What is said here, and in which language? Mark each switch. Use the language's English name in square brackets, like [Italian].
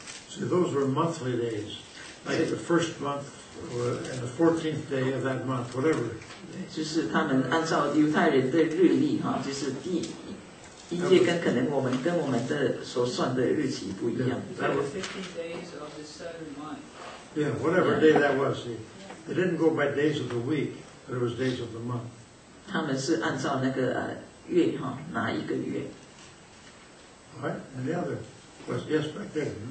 [English] See, those were monthly days, like the first month or and the 14th day of that month, whatever. [Chinese] 就是他们按照犹太人的日历哈，就是第一月跟可能我们的所算的日期不一样。 [English] That was 15 days of the seventh month. Yeah, whatever day that was, see, they didn't go by days of the week, but it was days of the month. [Chinese] 他们是按照那个月哈，哪一个月？ [English] All right, and the other was yes, back there.